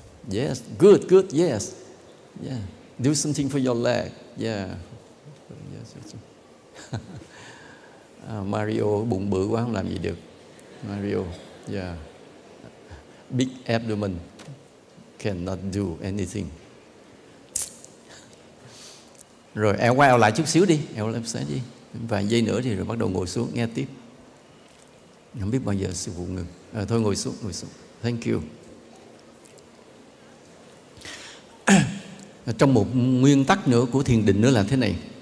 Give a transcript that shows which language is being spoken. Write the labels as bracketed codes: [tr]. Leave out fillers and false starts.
[en] Yes, good, yes. Yeah. Do something for your leg. Yeah. Yes, yes. [vi] Mario bụng bự quá không làm gì được. [en] Mario, yeah. Big abdomen cannot do anything. [vi] Rồi eo qua eo lại chút xíu đi, eo lên xé đi. Vài giây nữa thì rồi bắt đầu ngồi xuống nghe tiếp. Không biết bao giờ sư phụ ngừng. À, thôi ngồi xuống, ngồi xuống. [en] Thank you. [vi] Trong một nguyên tắc nữa của thiền định nữa là thế này.